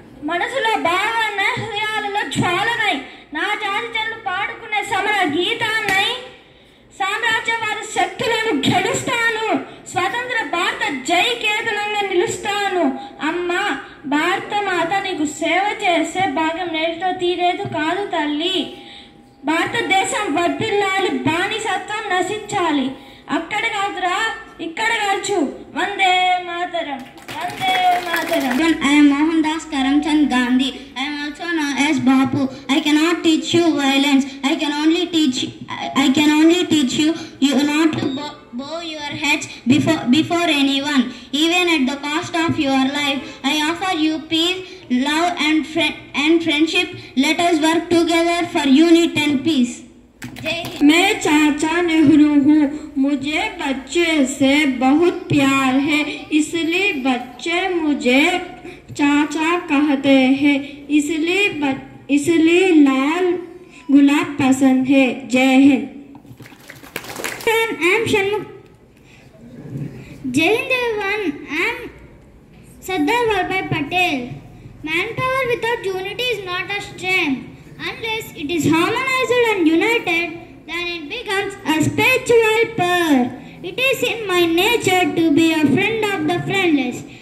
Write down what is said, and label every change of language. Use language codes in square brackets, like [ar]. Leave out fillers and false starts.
[te] మనసులో భావన హృదయాలలో జ్వాలనై, నా జాతిజనులు పాడుకునే సమర గీతాన్నై, సామ్రాజ్యవాద శక్తులను గెలుస్తాను, స్వతంత్ర భారత జయ కేతనంగా నిలుస్తాను, అమ్మా భారత మాత నీకు సేవ చేసే భాగ్యం నేటితో తీరేదు కాదు తల్లి, భారతదేశం వర్ధిల్లాలి, బానిసత్వం నశించాలి, అక్కడ కాదురా ఇక్కడ కాల్చు, Vande Mataram, Vande Mataram. [en] Gandhi, I am also known as Bapu. I cannot teach you violence. I can only teach you not to bow your heads before anyone, even at the cost of your life. I offer you peace, love, and friendship. Let us work together for unity and peace. [hi] मैं चाचा नेहरू हूँ, मुझे बच्चे से बहुत प्यार है, इसलिए बच्चे मुझे चाचा कहते हैं, इसलिए लाल गुलाब पसंद है, जय हिंद। जय Hind [en] Everyone, I am Sardar Vallabh Bhai Patel. Man power without unity is not a strength, unless it is harmonized and united, then it becomes a spiritual power. It is in my nature to be a friend of the friendless.